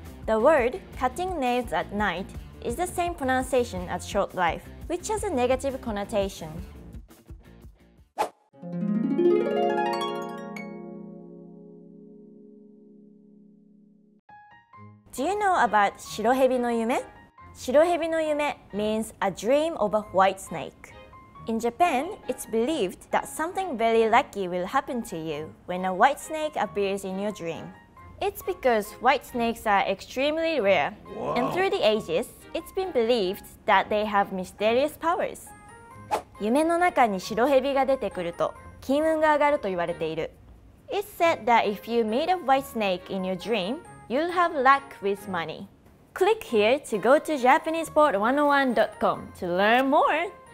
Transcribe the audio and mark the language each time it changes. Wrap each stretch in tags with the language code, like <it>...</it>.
<en>The word cutting nails at night is the same pronunciation as short life, which has a negative connotation. Do you know about</en> <ja>白蛇の夢?</ja> <en>白蛇の夢 means a dream of a white snake. In Japan, it's believed that something very lucky will happen to you when a white snake appears in your dream. It's because white snakes are extremely rare. Wow. And through the ages, it's been believed that they have mysterious powers.</en> <ja>夢の中に白蛇が出てくると、金運が上がると言われている。</ja> <en>It's said that if you meet a white snake in your dream, you'll have luck with money. Click here to go to JapanesePod101.com to learn more!</en>